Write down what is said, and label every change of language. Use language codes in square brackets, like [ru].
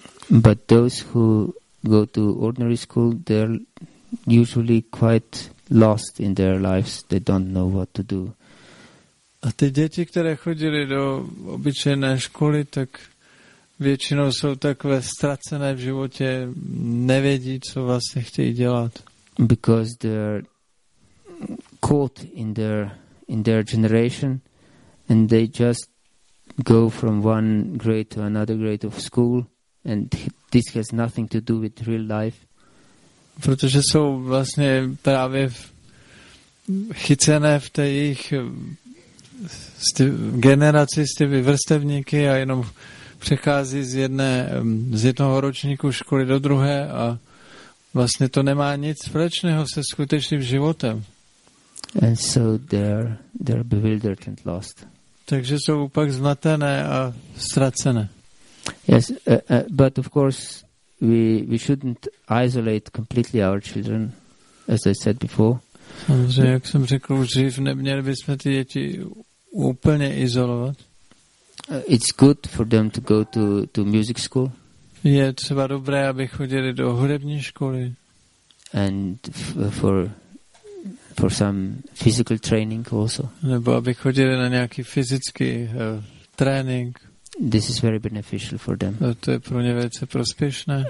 [en] But those who go to ordinary school, they're usually quite lost in their lives. They don't know what to do. [cs] A ty děti, které chodili do obyčejné školy, tak většinou jsou takové ztracené v životě, nevědí, co vlastně chtějí dělat. [en] Because they're caught in their generation, and they just go from one grade to another grade of school, and this has nothing to do with real life. [cs] Protože jsou vlastně právě chycené v té jejich generaci s těmi vrstevníky a jenom přechází z jednoho ročníku školy do druhé a vlastně to nemá nic společného se skutečným životem. [en] And so they're bewildered and lost. [cs] Takže jsou pak zmatené a ztracené. [en] Yes, but of course we shouldn't isolate completely our children, as I said before. [cs] Samozřejmě, jak jsem řekl už dřív, neměli bychom ty děti úplně izolovat. [en] It's good for them to go to music school. [cs] Je třeba dobré, aby chodili do hudební školy. [en] And for some physical training also. [cs] Nebo aby chodili na nějaký fyzický trénink. [en] This is very beneficial for them. [cs] To je pro ně velice prospěšné.